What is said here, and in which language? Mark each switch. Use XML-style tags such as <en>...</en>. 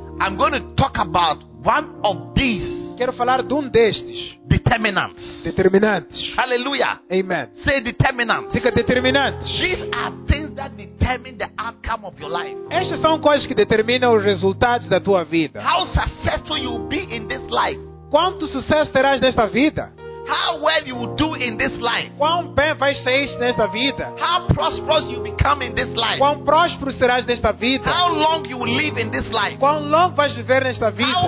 <en>I'm going to talk about one of these.</en> <pt>Quero falar de destes.</pt> <en>Determinants.</en> <pt>Determinantes.</pt> <en>Hallelujah. Amen. Say determinants.</en> <pt>Diga determinantes.</pt> <en>These are things that determine the outcome of your life.</en> <pt>Estas são coisas que determinam os resultados da tua vida.</pt> <en>How successful you will be in this life.</en> <pt>Quanto sucesso terás nesta vida?</pt> <en>How well you will do in this life.</en> <pt>Quão bem vais sair nesta vida?</pt> <en>How prosperous you become in this life.</en> <pt>Quão próspero serás nesta vida?</pt> <en>How long you will live in this life.</en> <pt>Quão longo vais viver nesta vida?</pt>